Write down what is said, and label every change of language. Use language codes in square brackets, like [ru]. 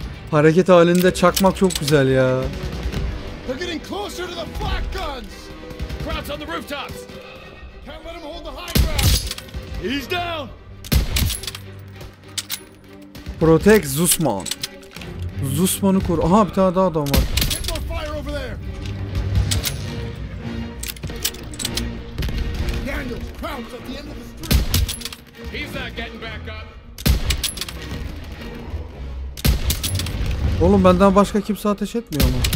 [tr] Hareket halinde çakmak çok güzel ya. [en] They're getting closer to the flak guns. Crouch on the rooftops. Can't let him hold the high ground. He's down. Protect Zussman. [tr] Zussman'ı koru. Aha, bir tane daha adam var. [en] Hit more fire over there. Daniel, crouch at the end of the street. He's not getting back up. [tr] Oğlum benden başka kimse ateş etmiyor mu?